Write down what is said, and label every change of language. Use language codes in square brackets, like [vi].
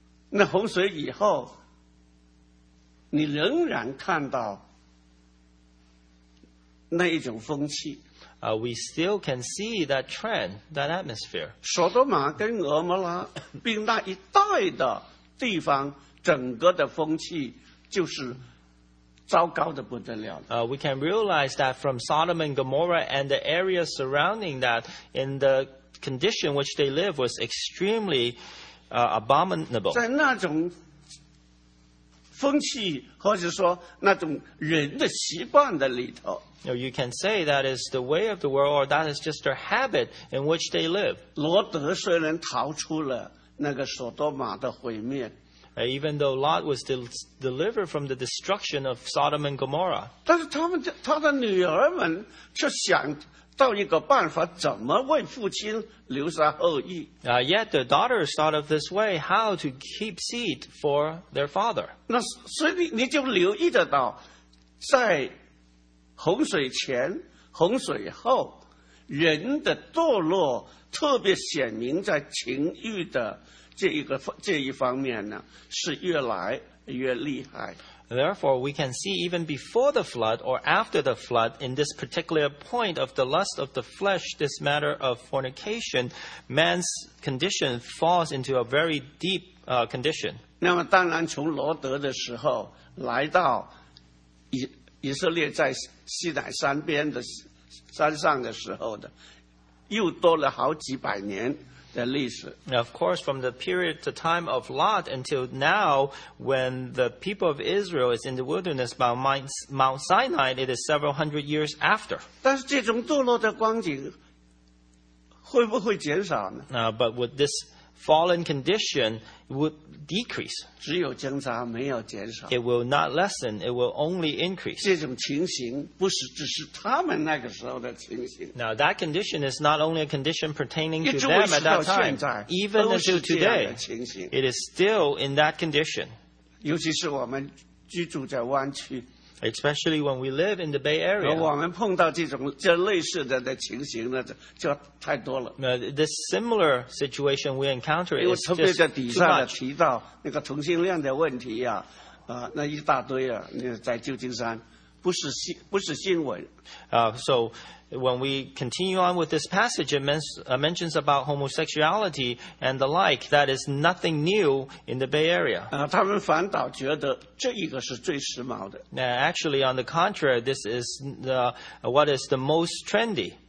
[zh] 那洪水以后，你仍然看到那一种风气。 [en] We still can see that trend, that atmosphere. [zh] 索多玛跟俄摩拉并那一带的地方整个的风气就是糟糕的不得了。 [en] We can realize that from Sodom and Gomorrah and the areas surrounding that, in the condition which they live was extremely abominable. [zh] 在那种风气或者说那种人的习惯的里头。 [en] You can say that is the way of the world, or that is just their habit in which they live. [zh] 罗德虽然逃出了那个索多玛的毁灭。 [en] Even though Lot was delivered from the destruction of Sodom and Gomorrah. [zh] 但是他的女儿们却想到一个办法，怎么为父亲留下后裔。 [en] Yet the daughters thought of this way, how to keep seed for their father. [zh] 那所以你就留意得到，在洪水前、洪水后，人的堕落特别显明在情欲的这一方面呢，是越来越厉害。 [en] Therefore, we can see even before the flood or after the flood, in this particular point of the lust of the flesh, this matter of fornication, man's condition falls into a very deep condition. [zh] 那么当然从罗德的时候来到以色列在西乃山边的山上的时候的，又多了好几百年。 [en] Of course, from the period, the time of Lot until now, when the people of Israel is in the wilderness by Mount Sinai, it is several hundred years after. [zh] 但是这种堕落的光景会不会减少呢？ [en] But with this fallen condition, it would decrease. [zh] 只有增加，没有减少。 [en] It will not lessen, it will only increase. [zh] 这种情形不是只是他们那个时候的情形。 [en] Now, that condition is not only a condition pertaining to them at that time. Even until today, it is still in that condition. [zh] 尤其是我们居住在湾区。 [en] Especially when we live in the Bay Area. [zh] 我们碰到这类似的情形呢，就太多了。 [en] This similar situation we encounter is just too much. [zh] 因为特别在底下提到那个同性恋的问题啊，那一大堆啊，在旧金山不是新闻。 [en] So when we continue on with this passage, it mentions about homosexuality and the like. That is nothing new in the Bay Area. [zh] 他们反倒觉得这一个是最时髦的。 [en] Now, actually, on the contrary, this is what is the most trendy.